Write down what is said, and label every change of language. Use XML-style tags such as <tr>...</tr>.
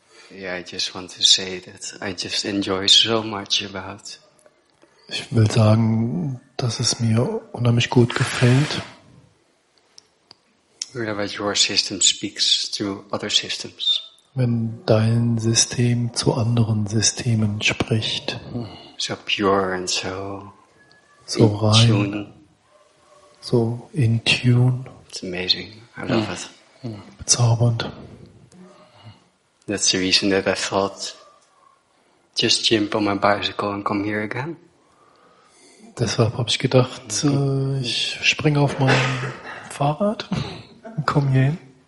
<en>Yeah, I just want to say that I just enjoy so much about.</en> <de>Ich will sagen, dass es mir unheimlich gut gefällt.</de> <en>Whatever your system speaks to other systems.</en> <de>Wenn dein System zu anderen Systemen spricht.</de> <en>So pure and so, so in rein. Tune. So in tune. It's amazing. I love it.</en> <de>Bezaubernd.</de> <en>That's the reason that I thought, just jump on my bicycle and come here again.</en> <de>Deshalb habe ich gedacht, ich springe auf mein Fahrrad und komme hier hin.</de>